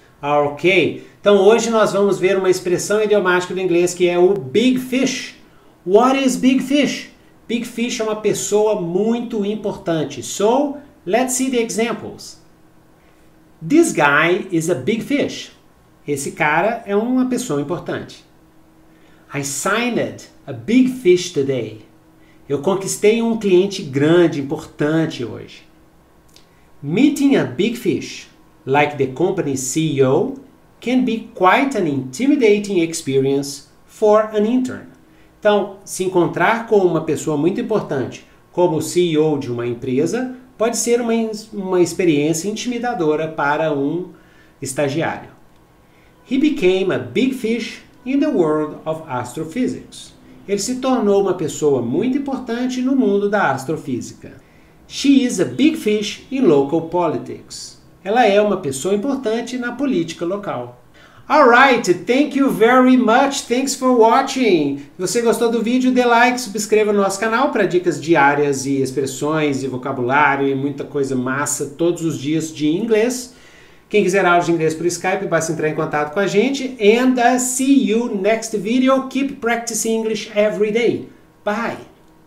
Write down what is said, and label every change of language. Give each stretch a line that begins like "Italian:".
Portuguese: Ok, então hoje nós vamos ver uma expressão idiomática do inglês que é o Big Fish.
English: What is Big Fish?
Portuguese: Big Fish é uma pessoa muito importante.
English: So, let's see the examples. This guy is a big fish.
Portuguese: Esse cara é uma pessoa importante.
English: I signed a big fish today.
Portuguese: Eu conquistei um cliente grande, importante hoje.
English: Meeting a big fish, like the company CEO, can be quite an intimidating experience for an intern.
Portuguese: Então, se encontrar com uma pessoa muito importante, como o CEO de uma empresa, pode ser uma experiência intimidadora para um estagiário.
English: He became a big fish in the world of astrophysics.
Portuguese: Ele se tornou uma pessoa muito importante no mundo da astrofísica.
English: She is a big fish in local politics.
Portuguese: Ela é uma pessoa importante na política local.
English: All right, thank you very much. Thanks for watching.
Portuguese: Se você gostou do vídeo, dê like, subscreva no nosso canal para dicas diárias e expressões e vocabulário e muita coisa massa todos os dias de inglês. Quem quiser aula de inglês por Skype, basta entrar em contato com a gente.
English: And see you next video. Keep practicing English every day. Bye.